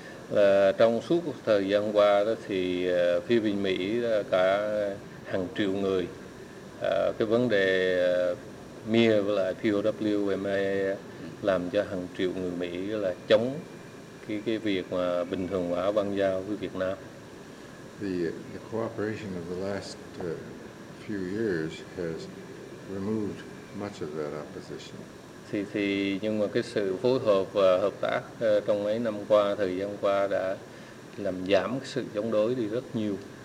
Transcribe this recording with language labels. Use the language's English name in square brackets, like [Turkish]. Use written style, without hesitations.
[Vietnamese] Là trong suốt thời gian qua đó thì phía bên Mỹ cả hàng triệu người cái vấn đề MIA với lại POWMA làm cho hàng triệu người Mỹ là chống cái việc mà bình thường hóa băng giao với Việt Nam. [English] The cooperation of the last few years has removed much of that opposition. [Vietnamese] Thì nhưng mà cái sự phối hợp và hợp tác trong mấy năm qua, thời gian qua đã làm giảm cái sự chống đối đi rất nhiều.